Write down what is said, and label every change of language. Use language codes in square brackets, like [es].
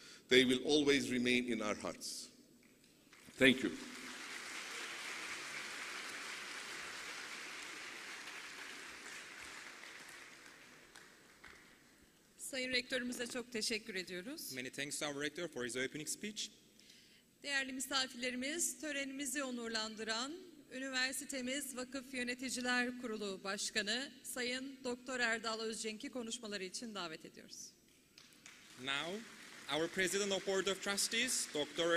[en] They will always remain in our hearts. Thank you. [tr] Sayın Rektörümüze çok teşekkür ediyoruz. [en] Many thanks to our rector for his opening speech. [tr] Değerli misafirlerimiz, törenimizi onurlandıran üniversitemiz Vakıf Yöneticiler Kurulu Başkanı Sayın Doktor Erdal Özcenk'i konuşmaları için davet ediyoruz. [en] Now, our President of Board of Trustees, Dr.